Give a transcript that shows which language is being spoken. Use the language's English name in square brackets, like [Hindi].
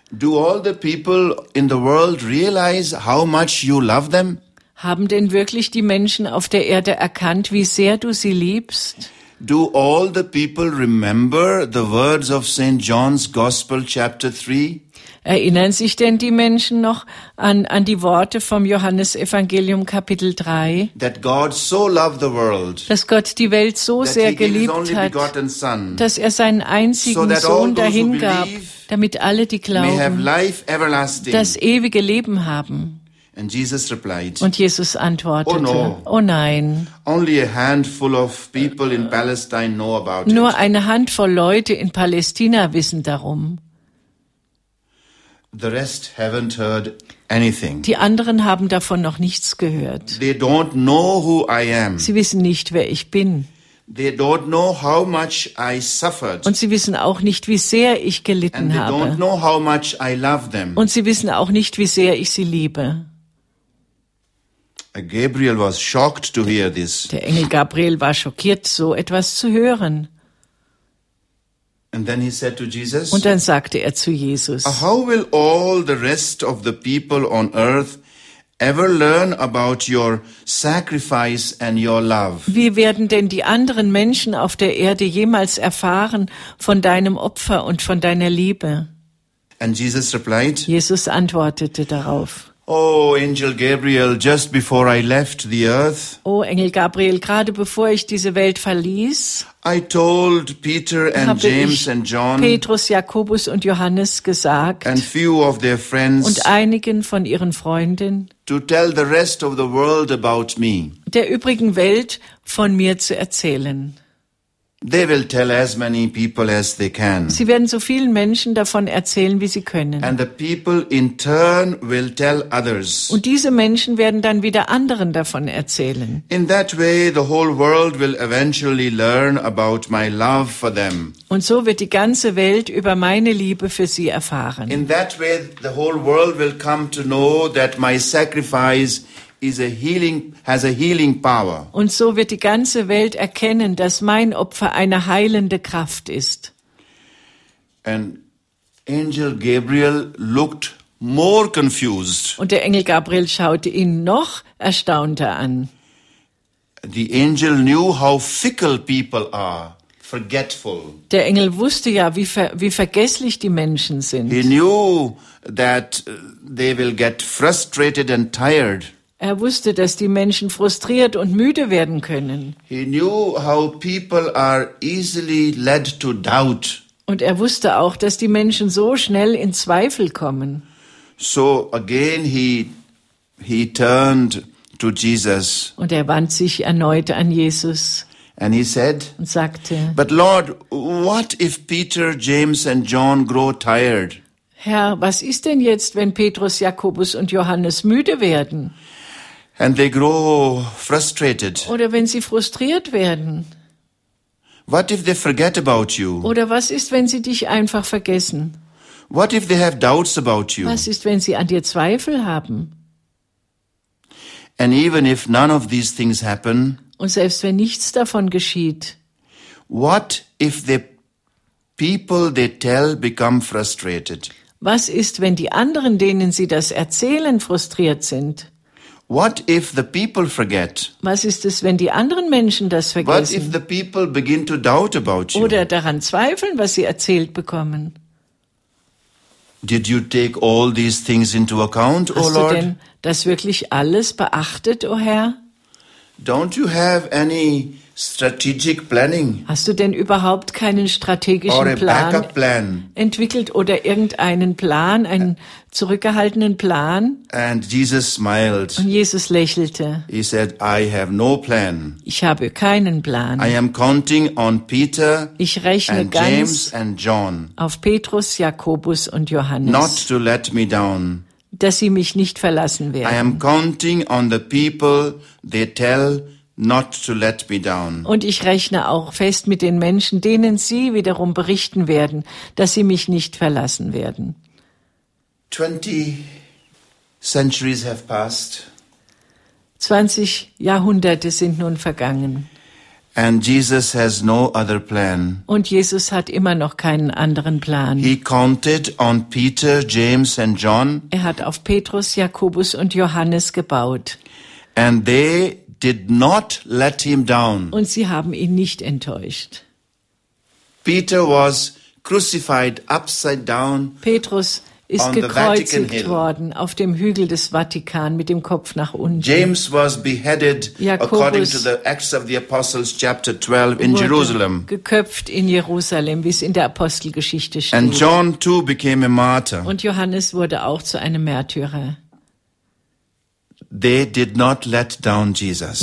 [English] Do all the people in the world realize how much you love them? [German] Haben denn wirklich die Menschen auf der Erde erkannt, wie sehr du sie liebst? [English] Do all the people remember the words of St. John's Gospel, chapter 3? [German] Erinnern sich denn die Menschen noch an die Worte vom Johannesevangelium, Kapitel 3? [English] That God so loved the world, [German] dass Gott die Welt so sehr geliebt hat, [English] Son, [German] dass er seinen einzigen so Sohn dahingab, [English] believe, [German] damit alle, die glauben, [English] may have life everlasting. [German] Das ewige Leben haben. [English] And Jesus replied, [German] und Jesus antwortete, [English] oh, no. [German] Oh nein, [English] only a handful of people in Palestine know about [German] nur [English] it. [German] Eine Handvoll Leute in Palästina wissen darum. [English] The rest haven't heard anything. [German] Die anderen haben davon noch nichts gehört. [English] They don't know who I am. [German] Sie wissen nicht, wer ich bin. [English] They don't know how much I suffered. [German] Und sie wissen auch nicht, wie sehr ich gelitten [English] And they [German] habe. [English] Don't know how much I love them. [German] Und sie wissen auch nicht, wie sehr ich sie liebe. [English] Gabriel was shocked to hear this. [German] Der Engel Gabriel war schockiert, so etwas zu hören. [English] And then he said to Jesus, [German] und dann sagte er zu Jesus, [English] how will all the rest of the people on earth ever learn about your sacrifice and your love? [German] Wie werden denn die anderen Menschen auf der Erde jemals erfahren von deinem Opfer und von deiner Liebe? [English] And Jesus replied, [German] Jesus antwortete darauf, [English] oh Angel Gabriel, just before I left the earth, [German] oh Engel Gabriel, gerade bevor ich diese Welt verließ, [English] I told Peter and James and John, [German] Petrus, Jakobus und Johannes gesagt, [English] and few of their friends, [German] und einigen von ihren Freunden, [English] to tell the rest of the world about me, [German] der übrigen Welt von mir zu erzählen. [English] They will tell as many people as they can. [German] Sie werden so vielen Menschen davon erzählen, wie sie können. [English] And the people in turn will tell others. [German] Und diese Menschen werden dann wieder anderen davon erzählen. [English] In that way the whole world will eventually learn about my love for them. [German] Und so wird die ganze Welt über meine Liebe für sie erfahren. [English] In that way the whole world will come to know that my sacrifice is a healing, has a healing power. [German] Und so wird die ganze Welt erkennen, dass mein Opfer eine heilende Kraft ist. [English] And Angel Gabriel looked more confused. [German] Und der Engel Gabriel schaute ihn noch erstaunter an. [English] The angel knew how fickle people are. Forgetful. [German] Der Engel wusste ja, wie vergesslich die Menschen sind. [English] He knew that they will get frustrated and tired. [German] Er wusste, dass die Menschen frustriert und müde werden können. [English] He knew how people are easily led to doubt. [German] Und er wusste auch, dass die Menschen so schnell in Zweifel kommen. [English] So again he turned to Jesus. [German] Und er wandte sich erneut an Jesus. [English] And he said, [German] und sagte, [English] but Lord, what if Peter, James and John grow tired? [German] Herr, was ist denn jetzt, wenn Petrus, Jakobus und Johannes müde werden? [English] And they grow frustrated. [German] Oder wenn sie frustriert werden. [English] What if they forget about you? [German] Oder was ist, wenn sie dich einfach vergessen? [English] What if they have doubts about you? [German] Was ist, wenn sie an dir Zweifel haben? [English] And even if none of these things happen, [German] und selbst wenn nichts davon geschieht, [English] what if the people they tell become frustrated? [German] Was ist, wenn die anderen, denen sie das erzählen, frustriert sind? [English] What if the people forget? [German] Was ist es, wenn die anderen Menschen das vergessen? [English] What if the people begin to doubt about you? [German] Oder daran zweifeln, was sie erzählt bekommen? [English] Did you take all these things into account, O Lord? [German] Hast du denn das wirklich alles beachtet, o Herr? [English] Don't you have any strategic planning? [German] Hast du denn überhaupt keinen strategischen Plan entwickelt oder irgendeinen Plan, einen zurückgehaltenen Plan? [English] And Jesus smiled. [German] Und Jesus lächelte. [English] He said, I have no plan. [German] Ich habe keinen Plan. [English] I am counting on Peter [German] ich rechne [English] and James and John. [German] Auf Petrus, Jakobus und Johannes. [English] Not to let me down. [German] Dass sie mich nicht verlassen werden. [English] I am counting on the people they tell not to let me down. [German] Und ich rechne auch fest mit den Menschen, denen sie wiederum berichten werden, dass sie mich nicht verlassen werden. [English] 20 centuries have passed. [German] 20 Jahrhunderte sind nun vergangen. [English] And Jesus has no other plan. [German] Und Jesus hat immer noch keinen anderen Plan. [English] He counted on Peter, James and John. [German] Er hat auf Petrus, Jakobus und Johannes gebaut. [English] And they did not let him down. [German] Und sie haben ihn nicht enttäuscht. [English] Peter was crucified upside down. [German] Petrus ist gekreuzigt worden auf dem Hügel des Vatikan mit dem Kopf nach unten. [English] James was beheaded according to the Acts of the Apostles chapter 12 in Jerusalem. [German] Geköpft in Jerusalem, wie es in der Apostelgeschichte steht. [English] And John too became a martyr. [German] Und Johannes wurde auch zu einem Märtyrer. [English] They did not let down Jesus.